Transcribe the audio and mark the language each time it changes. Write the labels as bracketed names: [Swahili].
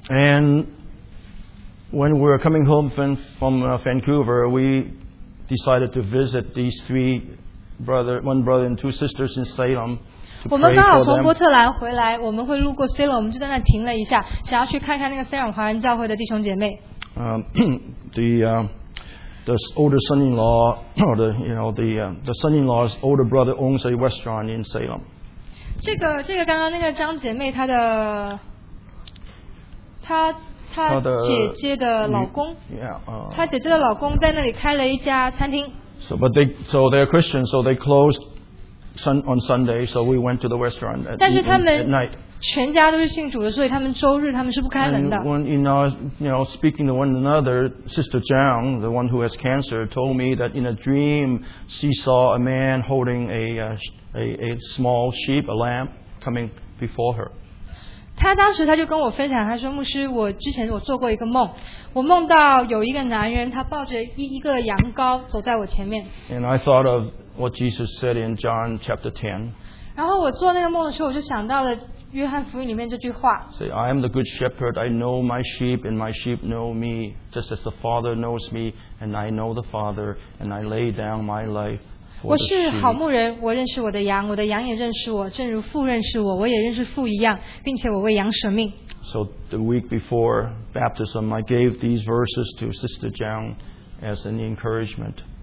[English] And when we were coming home from Vancouver, we decided to visit these three brothers, one brother and two sisters in Salem. [Chinese] 我们刚好从波特兰回来，我们会路过 Salem， 我们就在那停了一下，想要去看看那个 Salem 华人教会的弟兄姐妹。 [English] The older son-in-law, or the, you know, the son-in-law's older brother owns a restaurant in Salem. [Chinese] 这个刚刚那个张姐妹她的，她姐姐的老公，她姐姐的老公在那里开了一家餐厅。 [English] So they're Christian, so they closed on Sunday, so we went to the restaurant at night. [Chinese] 但是他们全家都是信主的，所以他们周日他们是不开门的。 [English] And when, you know, speaking to one another, Sister Zhang, the one who has cancer, told me that in a dream she saw a man holding a small sheep, a lamb, coming before her. [Chinese] 他当时他就跟我分享，他说牧师，我之前我做过一个梦，我梦到有一个男人，他抱着一个羊羔走在我前面。 [English] And I thought of what Jesus said in John chapter 10. [Chinese] 然后我做那个梦的时候，我就想到了约翰福音里面这句话。 [English] Say, I am the good shepherd. I know my sheep, and my sheep know me, just as the Father knows me, and I know the Father, and I lay down my life for the sheep. [Chinese] 我是好牧人，我认识我的羊，我的羊也认识我，正如父认识我，我也认识父一样，并且我为羊舍命。 [English] So the week before baptism, I gave these verses to Sister Zhang as an encouragement.